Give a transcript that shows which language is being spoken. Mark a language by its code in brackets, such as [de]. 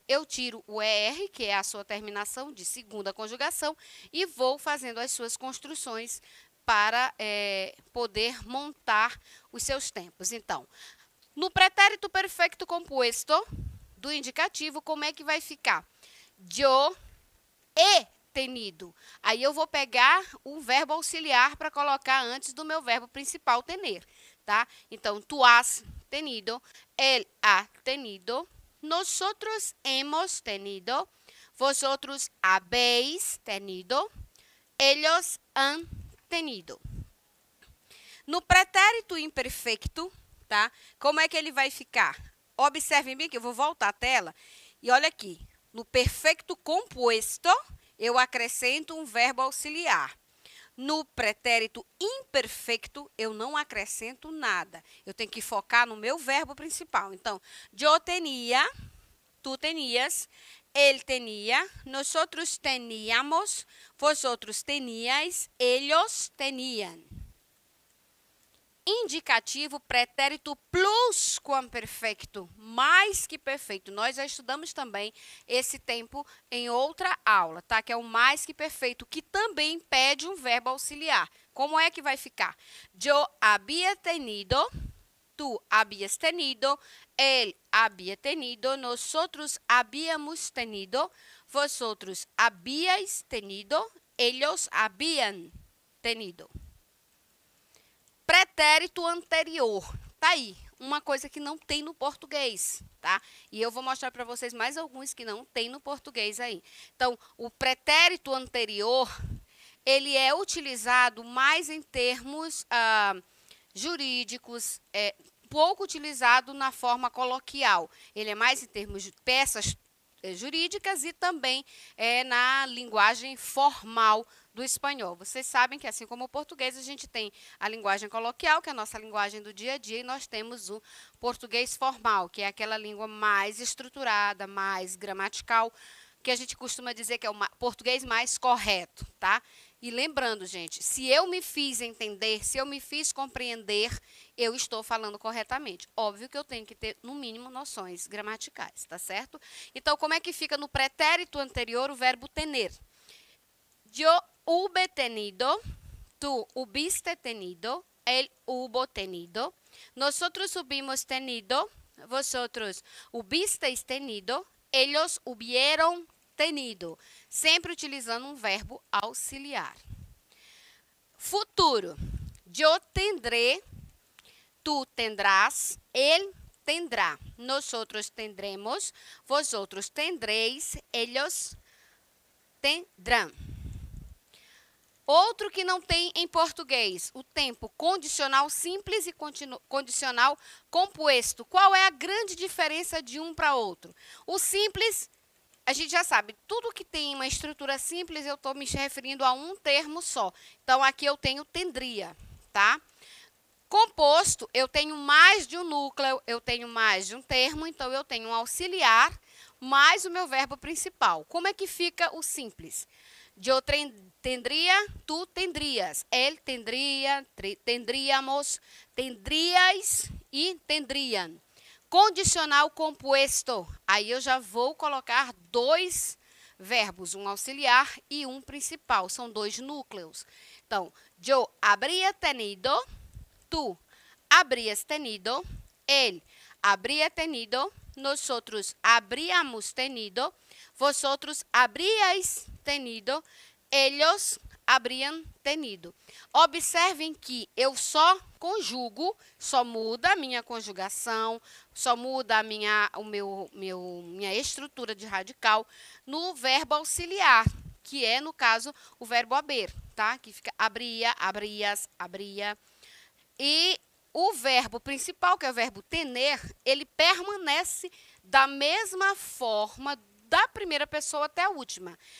[pt] Eu tiro o er, que é a sua terminação de segunda conjugação, e vou fazendo as suas construções para poder montar os seus tempos. Então, no pretérito perfeito compuesto do indicativo, como é que vai ficar? [es] Yo he tenido. [pt] Aí eu vou pegar o verbo auxiliar para colocar antes do meu verbo principal, tener. Tá? [es] Então, tu has tenido, él ha tenido, nosotros hemos tenido, vosotros habéis tenido, ellos han tenido. [pt] No pretérito imperfeito, tá? Como é que ele vai ficar? Observe-me que eu vou voltar a tela. E olha aqui, no perfeito composto, eu acrescento um verbo auxiliar. No pretérito imperfeito, eu não acrescento nada. Eu tenho que focar no meu verbo principal. [es] Então, yo tenía, tú tenías, él tenía, nosotros teníamos, vosotros teníais, ellos tenían. [pt] Indicativo, pretérito pluscuamperfeito, mais que perfeito. Nós já estudamos também esse tempo em outra aula, tá? Que é o mais que perfeito, que também pede um verbo auxiliar. Como é que vai ficar? [es] Yo había tenido, tú habías tenido, él había tenido, nosotros habíamos tenido, vosotros habíais tenido, ellos habían tenido. [pt] Pretérito anterior, tá aí, uma coisa que não tem no português, tá? E eu vou mostrar para vocês mais alguns que não tem no português aí. Então, o pretérito anterior, ele é utilizado mais em termos jurídicos, é pouco utilizado na forma coloquial. Ele é mais em termos de peças jurídicas e também é na linguagem formal do espanhol. Vocês sabem que, assim como o português, a gente tem a linguagem coloquial, que é a nossa linguagem do dia a dia, e nós temos o português formal, que é aquela língua mais estruturada, mais gramatical, que a gente costuma dizer que é o português mais correto, tá? E lembrando, gente, se eu me fiz entender, se eu me fiz compreender, eu estou falando corretamente. Óbvio que eu tenho que ter, no mínimo, noções gramaticais, tá certo? Então, como é que fica no pretérito anterior o verbo tener? [es] Yo hube tenido, tú hubiste tenido, él hubo tenido, nosotros hubimos tenido, vosotros hubisteis tenido, ellos hubieron tenido. [pt] Sempre utilizando um verbo auxiliar. Futuro. [es] Yo tendré, tú tendrás, él tendrá, nosotros tendremos, vosotros tendréis, ellos tendrán. [pt] Outro que não tem em português, o tempo condicional simples e condicional composto. Qual é a grande diferença de um para outro? O simples, a gente já sabe, tudo que tem uma estrutura simples, eu estou me referindo a um termo só. Então, aqui eu tenho tendria, tá? Composto, eu tenho mais de um núcleo, eu tenho mais de um termo, então eu tenho um auxiliar mais o meu verbo principal. Como é que fica o simples? [es] De outra tendria, tu tendrias, él tendria, tendríamos, tendrias e tendrían. [pt] Condicional compuesto, aí eu já vou colocar dois verbos, um auxiliar e um principal, são dois núcleos. [es] Então, yo habría tenido, tú habrías tenido, él habría tenido, nosotros habríamos tenido, vosotros habríais tenido, ellos habrían tenido. [pt] Observem que eu só conjugo, só muda a minha conjugação, só muda a minha estrutura de radical no verbo auxiliar, que é, no caso, o verbo haber, tá? Que fica abria, abrias, abria. E o verbo principal, que é o verbo tener, ele permanece da mesma forma da primeira pessoa até a última.